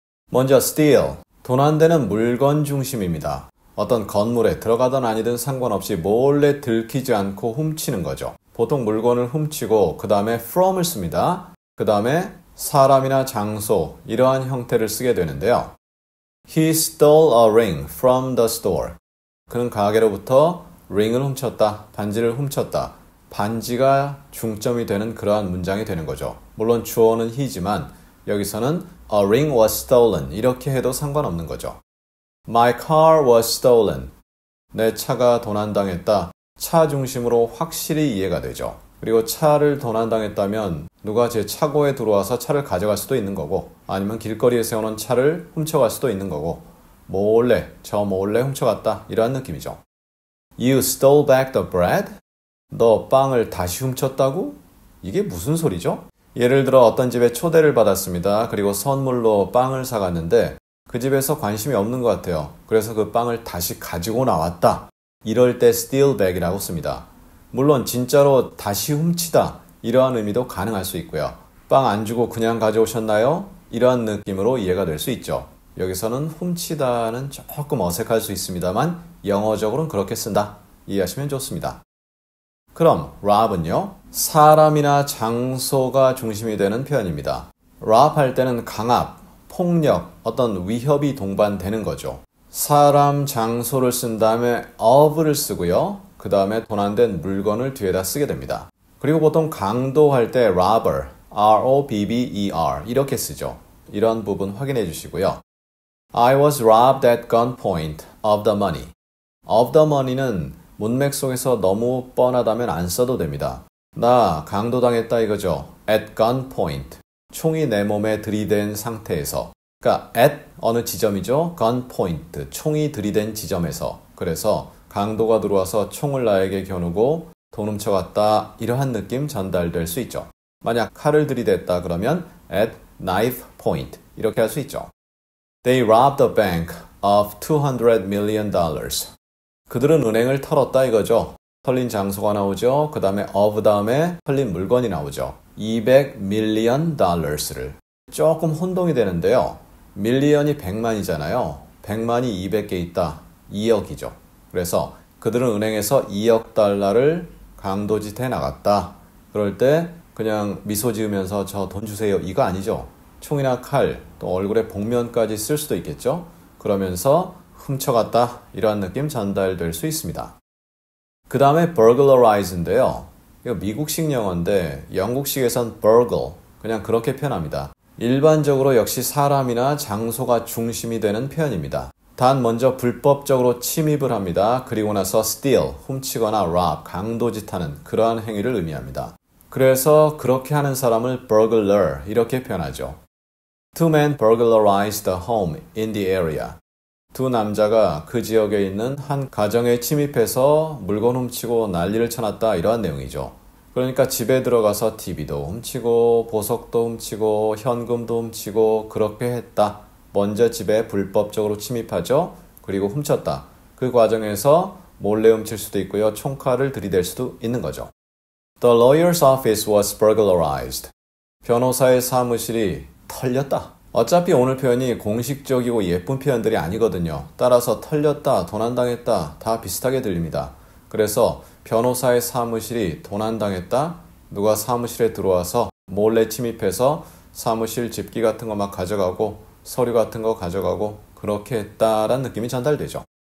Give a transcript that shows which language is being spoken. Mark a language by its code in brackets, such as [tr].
[ko] 먼저 steal, 도난되는 물건 중심입니다. 어떤 건물에 들어가든 아니든 상관없이 몰래 들키지 않고 훔치는 거죠. 보통 물건을 훔치고 그 다음에 from을 씁니다. 그 다음에 사람이나 장소, 이러한 형태를 쓰게 되는데요. [en] He stole a ring from the store. [ko] 그는 가게로부터 ring을 훔쳤다, 반지를 훔쳤다. 반지가 중점이 되는 그러한 문장이 되는 거죠. 물론 주어는 he지만 여기서는 [en] a ring was stolen [ko] 이렇게 해도 상관없는 거죠. [en] My car was stolen. [ko] 내 차가 도난당했다. 차 중심으로 확실히 이해가 되죠. 그리고 차를 도난당했다면 누가 제 차고에 들어와서 차를 가져갈 수도 있는 거고 아니면 길거리에 세워놓은 차를 훔쳐갈 수도 있는 거고 몰래, 저 몰래 훔쳐갔다 이러한 느낌이죠. [en] You stole back the bread? [ko] 너 빵을 다시 훔쳤다고? 이게 무슨 소리죠? 예를 들어 어떤 집에 초대를 받았습니다. 그리고 선물로 빵을 사갔는데 그 집에서 관심이 없는 것 같아요. 그래서 그 빵을 다시 가지고 나왔다. 이럴 때 steal back이라고 씁니다. 물론 진짜로 다시 훔치다 이러한 의미도 가능할 수 있고요. 빵 안 주고 그냥 가져오셨나요? 이러한 느낌으로 이해가 될 수 있죠. 여기서는 훔치다는 조금 어색할 수 있습니다만 영어적으로는 그렇게 쓴다. 이해하시면 좋습니다. 그럼 rob은요? 사람이나 장소가 중심이 되는 표현입니다. rob 할 때는 강압, 폭력, 어떤 위협이 동반되는 거죠. 사람, 장소를 쓴 다음에 of를 쓰고요. 그 다음에 도난된 물건을 뒤에다 쓰게 됩니다. 그리고 보통 강도할 때 robber, R-O-B-B-E-R 이렇게 쓰죠. 이런 부분 확인해 주시고요. [en] I was robbed at gunpoint of the money. [ko] Of the money는 문맥 속에서 너무 뻔하다면 안 써도 됩니다. 나 강도당했다 이거죠. At gunpoint, 총이 내 몸에 들이댄 상태에서. 그러니까 at 어느 지점이죠? Gunpoint, 총이 들이댄 지점에서. 그래서 강도가 들어와서 총을 나에게 겨누고 돈 훔쳐갔다 이러한 느낌 전달될 수 있죠. 만약 칼을 들이댔다 그러면 [en] at knife point [ko] 이렇게 할 수 있죠. [en] They robbed a bank of $200 million. [ko] 그들은 은행을 털었다 이거죠. 털린 장소가 나오죠. 그 다음에 of 다음에 털린 물건이 나오죠. 200 million dollars를. 조금 혼동이 되는데요. 밀리언이 100만이잖아요. 100만이 200개 있다. 2억이죠. 그래서 그들은 은행에서 2억 달러를 강도짓해 나갔다. 그럴 때 그냥 미소 지으면서 저 돈 주세요. 이거 아니죠. 총이나 칼, 또 얼굴에 복면까지 쓸 수도 있겠죠. 그러면서 훔쳐갔다. 이러한 느낌 전달될 수 있습니다. 그 다음에 burglarize인데요. 이거 미국식 영어인데 영국식에선 burgle, 그냥 그렇게 표현합니다. 일반적으로 역시 사람이나 장소가 중심이 되는 표현입니다. 단 먼저 불법적으로 침입을 합니다. 그리고 나서 steal, 훔치거나 rob, 강도짓하는 그러한 행위를 의미합니다. 그래서 그렇게 하는 사람을 burglar 이렇게 표현하죠. [en] Two men burglarized the home in the area. [ko] 두 남자가 그 지역에 있는 한 가정에 침입해서 물건 훔치고 난리를 쳐놨다 이러한 내용이죠. 그러니까 집에 들어가서 TV도 훔치고 보석도 훔치고 현금도 훔치고 그렇게 했다. 먼저 집에 불법적으로 침입하죠. 그리고 훔쳤다. 그 과정에서 몰래 훔칠 수도 있고요. 총칼을 들이댈 수도 있는 거죠. [en] The lawyer's office was burglarized. [ko] 변호사의 사무실이 털렸다. 어차피 오늘 표현이 공식적이고 예쁜 표현들이 아니거든요. 따라서 털렸다, 도난당했다 다 비슷하게 들립니다. 그래서 변호사의 사무실이 도난당했다. 누가 사무실에 들어와서 몰래 침입해서 사무실 집기 같은 거 막 가져가고 서류 같은 거 가져가고 그렇게 했다라는 느낌이 전달되죠.